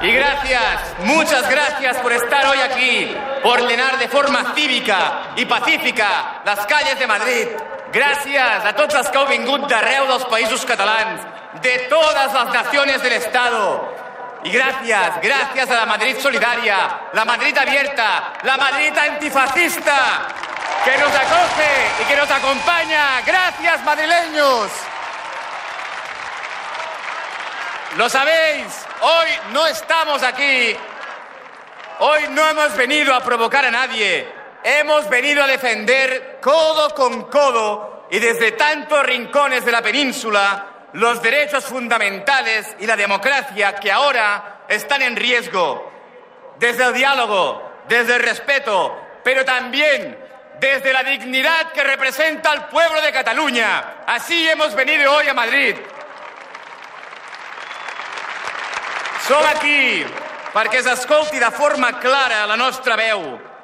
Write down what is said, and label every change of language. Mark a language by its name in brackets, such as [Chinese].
[Spanish] Y gracias, muchas gracias por estar hoy aquí, por llenar de forma cívica y pacífica las calles de Madrid. Gracias [Catalan] a tots els que heu vingut d'arreu dels països catalans, [Spanish] de todas las naciones del Estado. Y gracias, gracias a la Madrid solidaria, la Madrid abierta, la Madrid antifascista, que nos acoge y que nos acompaña. Gracias, madrileños. Lo sabéis, hoy no estamos aquí, hoy no hemos venido a provocar a nadie, hemos venido a defender codo con codo y desde tantos rincones de la península los derechos fundamentales y la democracia que ahora están en riesgo. Desde el diálogo, desde el respeto, pero también desde la dignidad que representa al pueblo de Cataluña. Así hemos venido hoy a Madrid. [Catalan] Som aquí perquè s'escolti de forma clara la nostra veu.